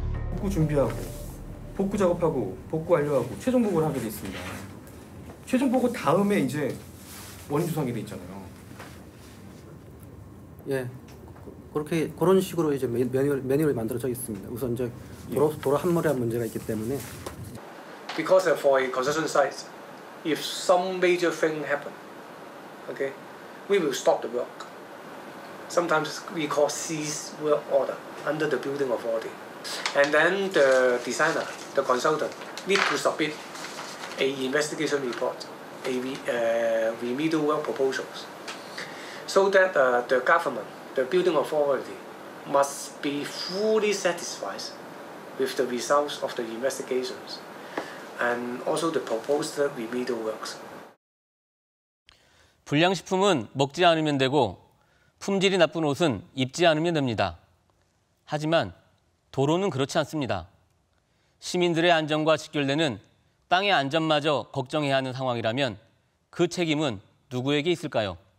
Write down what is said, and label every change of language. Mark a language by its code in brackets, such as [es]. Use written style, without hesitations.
[ko] 복구 준비하고 복구 작업하고 복구 완료하고 최종 복구를 하게 돼 있습니다. 최종 복구 다음에 이제 원인 조사하게 돼 있잖아요. 예, 그렇게 그런 식으로 이제 매뉴얼이 만들어져 있습니다. 우선 이제 도로 함몰이란 문제가 있기 때문에. [en] Because for a construction site, if some major thing happen, okay, we will stop the work. Sometimes we call cease work order under the building authority. And then the designer, the consultant, need to submit a investigation report, remedial work proposals. So that the government, the building authority, must be fully satisfied with the results of the investigations and also the proposed remedial works. [ko] 불량식품은 먹지 않으면 되고 품질이 나쁜 옷은 입지 않으면 됩니다. 하지만 도로는 그렇지 않습니다. 시민들의 안전과 직결되는 땅의 안전마저 걱정해야 하는 상황이라면 그 책임은 누구에게 있을까요?